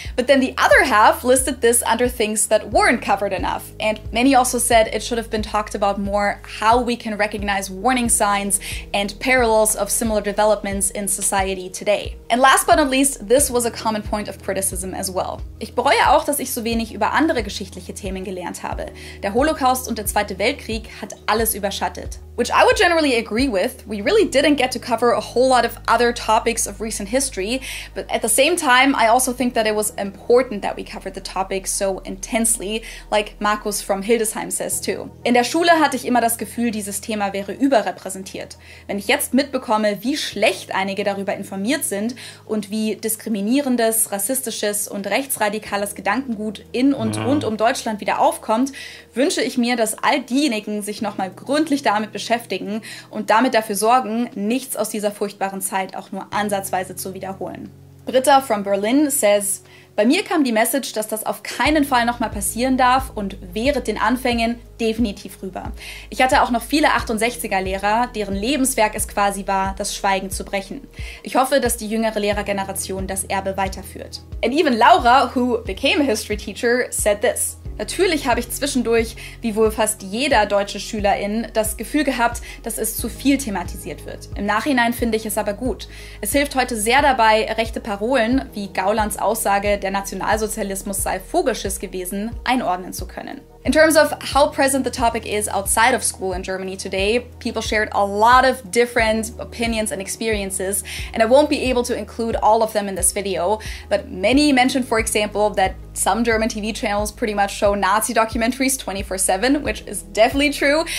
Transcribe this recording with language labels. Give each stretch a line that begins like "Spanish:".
English: But then the other half listed this under things that weren't covered enough. And many also said it should have been talked about more how we can recognize warning signs and parallels of similar developments in society today. And last but not least, this was a common point of criticism as well.
German: Ich bereue auch, dass ich so wenig über andere geschichtliche Themen gelernt habe. Der Holocaust und der Zweite Weltkrieg hat alles überschattet.
English: Which I would generally agree with. We really didn't get to cover a whole lot of other topics of recent history, but at the same time, I also think that it was important that we covered the topic so intensely, like Markus from Hildesheim says too.
German: In der Schule hatte ich immer das Gefühl, dieses Thema wäre überrepräsentiert. Wenn ich jetzt mitbekomme, wie schlecht einige darüber informiert sind und wie diskriminierendes, rassistisches und rechtsradikales Gedankengut in und rund um Deutschland wieder aufkommt, wünsche ich mir, dass all diejenigen sich nochmal gründlich damit beschäftigen und damit dafür sorgen, nichts aus dieser furchtbaren Zeit auch nur ansatzweise zu wiederholen.
English: Britta from Berlin says,
German: bei mir kam die Message, dass das auf keinen Fall nochmal passieren darf und während den Anfängen definitiv rüber. Ich hatte auch noch viele 68er-Lehrer, deren Lebenswerk es quasi war, das Schweigen zu brechen. Ich hoffe, dass die jüngere Lehrergeneration das Erbe weiterführt.
English: And even Laura, who became a history teacher, said this.
German: Natürlich habe ich zwischendurch, wie wohl fast jeder deutsche SchülerIn, das Gefühl gehabt, dass es zu viel thematisiert wird. Im Nachhinein finde ich es aber gut. Es hilft heute sehr dabei, rechte Parolen, wie Gaulands Aussage, der Nationalsozialismus sei Vogelschiss gewesen, einordnen zu können.
English: In terms of how present the topic is outside of school in Germany today, people shared a lot of different opinions and experiences, and I won't be able to include all of them in this video, but many mentioned, for example, that some German TV channels pretty much show Nazi documentaries 24/7, which is definitely true.